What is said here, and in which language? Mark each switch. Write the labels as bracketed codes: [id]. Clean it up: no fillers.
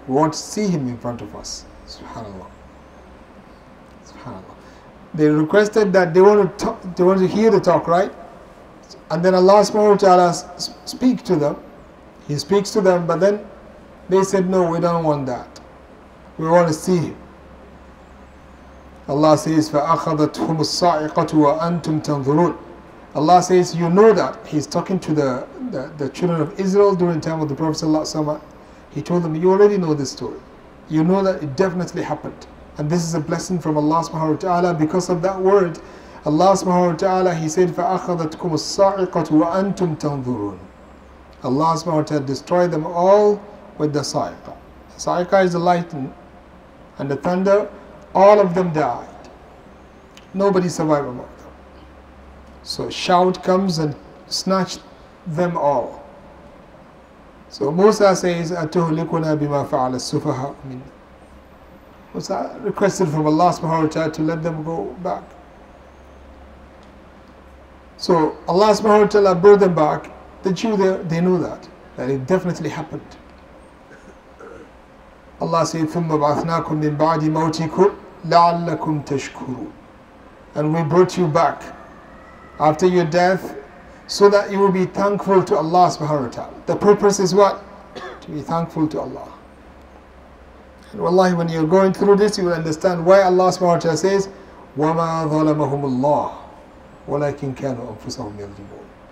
[en] We want to see Him in front of us. Subhanallah. They requested that they want to hear the talk, right? And then Allah subhanahu wa ta'ala speak to them. He speaks to them, but then they said, no, we don't want that. We want to see Him. Allah says, [ar] فَأَخَذَتْهُمُ الصَّاعِقَةُ وَأَنْتُمْ تَنْظُرُونَ. [en] Allah says, you know that. He's talking to the children of Israel during the time of the Prophet sallallahu alaihi wasallam. He told them, you already know this story. You know that it definitely happened. And this is a blessing from Allah subhanahu wa ta'ala because of that word. [ar] Allah subhanahu wa ta'ala, [en] He said, [ar] فَأَخَذَتْكُمُ الصَّاعِقَةُ وَأَنْتُمْ تَنْظُرُونَ. [en] Allah subhanahu wa ta'ala destroyed them all with the sa'iqa. Sa'iqa is the lightning and the thunder. All of them died. Nobody survived among them. So a shout comes and snatched them all. So Musa says, [ar] أَتُهْلِكُنَا بِمَا فَعَلَ السُّفَهَاءُ مِنَّا. [en] Musa requested from Allah subhanahu wa ta'ala to let them go back. So Allah subhanahu wa ta'ala brought them back. The Jews, they knew that it definitely happened. Allah said, [ar] ثُمَّ بَعَثْنَاكُمْ مِنْ بَعْدِ مَوْتِكُمْ لَعَلَّكُمْ تَشْكُرُونَ. [en] And we brought you back after your death so that you will be thankful to Allah subhanahu wa ta'ala. The purpose is what? To be thankful to Allah. Wallahi, when you're going through this, you will understand why Allah subhanahu wa ta'ala says, [ar] وَمَا ظَلَمَهُمُ اللَّهُ وَلَكِنْ كَانُوا أَنفُسَهُمْ يَظْلِمُونَ.